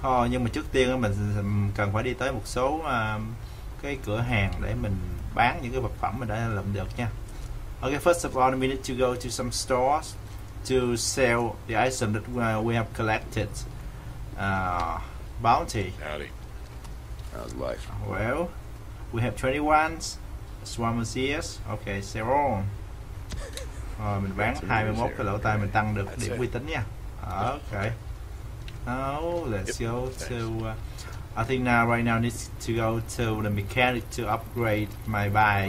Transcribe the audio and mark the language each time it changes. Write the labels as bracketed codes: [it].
[vi] Nhưng mà trước tiên mình cần phải đi tới một số cái cửa hàng để mình bán những cái vật phẩm mình đã làm được nha. [en] Okay, first of all, we need to go to some stores to sell the item that we have collected. Bounty. Howdy. How's life? Well, we have 21s. Swarm of Seers. Okay, sell on. [vi] Rồi, mình bán 21 cái lỗ tai mình tăng được điểm uy tín nha. [en] Okay. Now, let's go to... I think now, right now, I need to go to the mechanic to upgrade my bike.